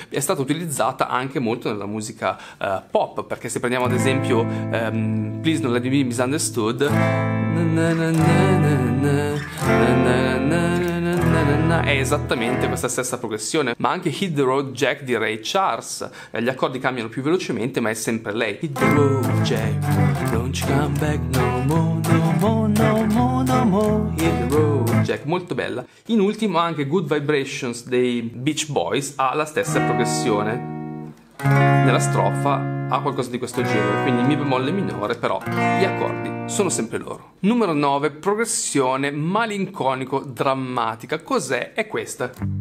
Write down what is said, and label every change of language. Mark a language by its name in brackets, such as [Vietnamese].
[Italian] È stata utilizzata anche molto nella musica pop, perché se prendiamo ad esempio Please Don't Let Me Be Misunderstood, è esattamente questa stessa progressione. Ma anche Hit the Road Jack di Ray Charles, gli accordi cambiano più velocemente, ma è sempre lei. [English] Hit the road Jack, don't you come back no more, no more, no more, no more. [Italian] Hit the road Jack, molto bella. In ultimo anche Good Vibrations dei Beach Boys ha la stessa progressione, nella strofa ha qualcosa di questo genere, quindi Mi bemolle minore, però gli accordi sono sempre loro. Numero 9, progressione malinconico drammatica. Cos'è? È questa.